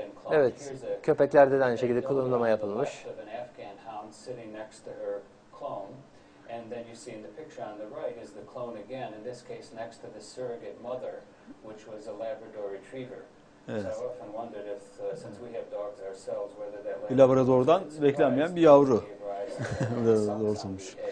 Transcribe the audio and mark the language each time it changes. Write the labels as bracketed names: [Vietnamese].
[Turkish] Evet, köpeklerde de aynı şekilde klonlama yapılmış. [English] Sitting next to her clone, and then you see in the picture on the right is the clone again, in this case next to the surrogate mother, which was a Labrador retriever. [Turkish] Evet. [English] So I often wondered if since we have dogs ourselves whether that [Turkish] Labrador'dan beklenmeyen bir yavru doğurmuş.